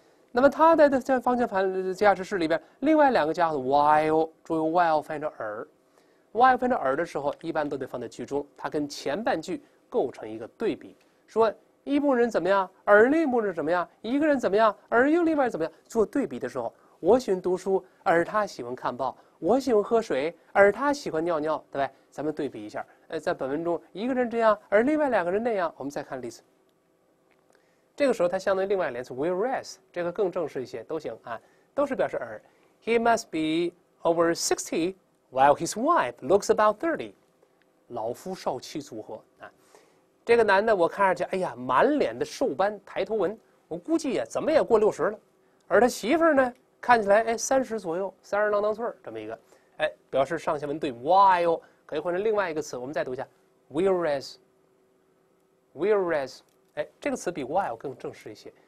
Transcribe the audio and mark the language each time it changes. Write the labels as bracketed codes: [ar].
[zh] 那么他在方向盘驾驶室里边，另外两个家伙 while， 注意 while 翻译成而， while 翻译成而的时候一般都得放在句中，它跟前半句构成一个对比，说一部分人怎么样，而另一部分人怎么样，一个人怎么样，而又另外怎么样，做对比的时候，我喜欢读书，而他喜欢看报，我喜欢喝水，而他喜欢尿尿，对吧？咱们对比一下，在本文中一个人这样，而另外两个人那样。我们再看例子，这个时候它相当于另外连词 whereas， 这个更正式一些都行啊，都是表示而。 [en] He must be over 60 while his wife looks about 30， [zh] 老夫少妻组合啊。这个男的我看上去，哎呀，满脸的瘦斑，抬头纹，我估计呀，怎么也过60了。而他媳妇儿呢，看起来哎30左右，30郎当岁这么一个，哎，表示上下文对。While 可以换成另外一个词，我们再读一下 whereas， 哎，这个词比 while 更正式一些。